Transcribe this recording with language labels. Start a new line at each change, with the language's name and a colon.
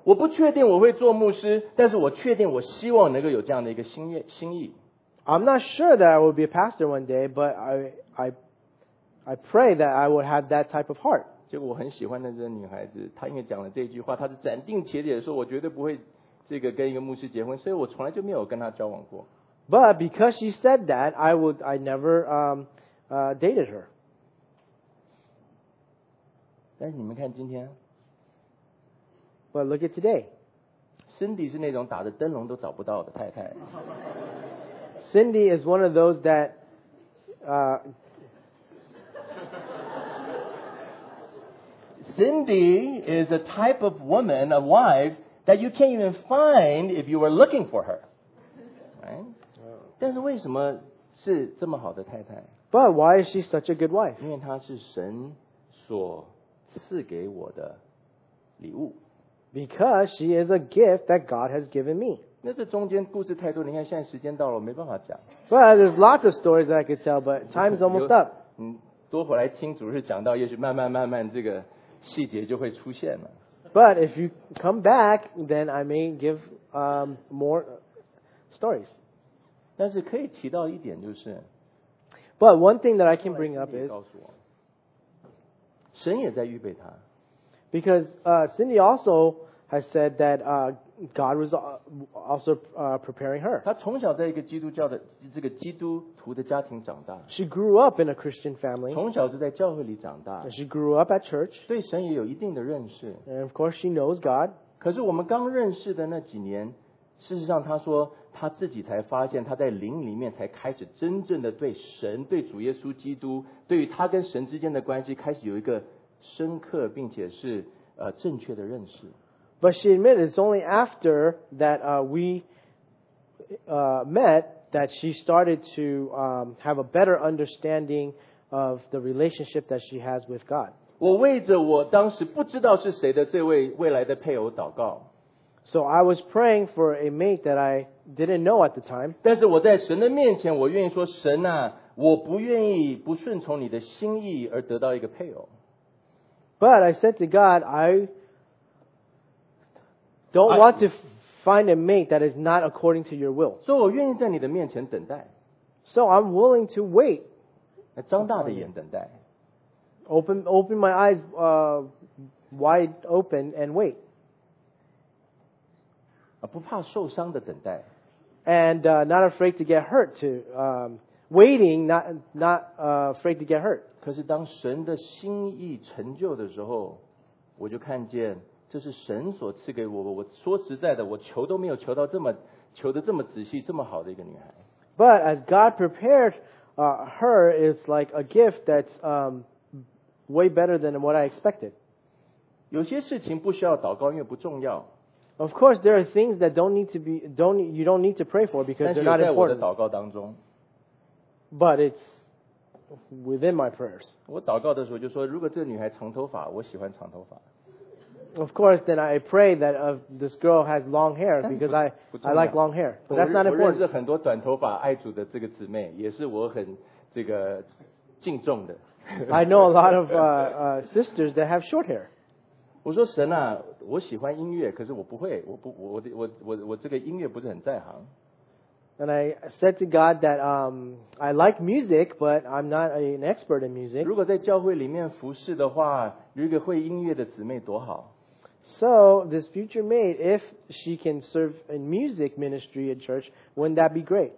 Chinese: 我不确定我会做牧师，但是我确定我希望能够有这样的一个心意。
English: I'm not sure that I will be a pastor one day, but I pray that I will have that type of heart.
Chinese: 结果我很喜欢的这个女孩子，她因为讲了这句话，她是斩钉截铁的说，我绝对不会这个跟一个牧师结婚，所以我从来就没有跟她交往过。
English: But because she said that, I never dated her.
Chinese: 但是你们看今天
English: ，But look at today.
Chinese: Cindy 是那种打着灯笼都找不到的太太。
English: Cindy is one of those that, Cindy is a type of woman, a wife that you can't even find if you were looking for her. Right?
Chinese: 但是为什么是这么好的太太
English: ？But why is she such a good wife?
Chinese: 因为她是神所。赐给我的礼物
English: ，because she is a gift that God has given me。
Chinese: 那这中间故事太多，你看现在时间到了，我没办法讲。
English: But there's lots of stories that I could tell, but time's almost up。
Chinese: 嗯，多回来听主日讲到，也许慢慢慢慢这个细节就会出现了。
English: But if you come back, then I may give more stories。
Chinese: 但是可以提到一点就是
English: ，But one thing that I can bring up is。
Chinese: 神也在预备他
English: ，because Cindy also has said that God was also preparing her.
Chinese: 她从小在一个基督教的这个基督徒的家庭长大
English: ，she grew up in a Christian family.
Chinese: 从小就在教会里长大
English: ，she grew up at church.
Chinese: 对神也有一定的认识
English: ，and of course she knows God.
Chinese: 可是我们刚认识的那几年，事实上她说她自己才发现她在灵里面才开始真正的对神、对主耶稣基督。对于他跟神之间的关系开始有一个深刻并且是正确的认识。
English: But she admitted it's only after that we met that she started to have a better understanding of the relationship that she has with God.
Chinese: 我为着我当时不知道是谁的这位未来的配偶祷告。
English: So I was praying for a mate that I didn't know at the time.
Chinese: 但是我在神的面前，我愿意说，神啊，我不愿意不顺从你的心意而得到一个配偶。
English: But I said to God, I don't want to find a mate that is not according to your will.
Chinese: 所以我愿意在你的面前等待。
English: So I'm willing to wait.
Chinese: 张大的眼等待。
English: Open my eyes, wide open and wait.
Chinese: 不怕受伤的等待。
English: And not afraid to get hurt too. Waiting, not afraid to get hurt.
Chinese: 可是当神的心意成就的时候，我就看见这是神所赐给我。我说实在的，我求都没有求到这么求的这么仔细，这么好的一个女孩。
English: But as God prepared her, it's like a gift that's way better than what I expected.
Chinese: 有些事情不需要祷告，因为不重要。
English: Of course, there are things that you don't need to pray for because they're not important.
Chinese: 但是有在我的祷告当中。
English: But it's within my prayers.
Chinese: 我祷告的时候就说，如果这个女孩长头发，我喜欢长头发。
English: Of course, then I pray that this girl has long hair because I like long hair. But that's not important.
Chinese: 我认识很多短头发爱主的这个姊妹，也是我很这个敬重的。
English: I know a lot of sisters that have short hair.
Chinese: 我说神啊，我喜欢音乐，可是我不会，我不，我我我我这个音乐不是很在行。
English: And I said to God that I like music, but I'm not an expert in music.
Chinese: 如果在教会里面服侍的话，有一个会音乐的姊妹多好。
English: So this future mate, if she can serve in music ministry in church, wouldn't that be great?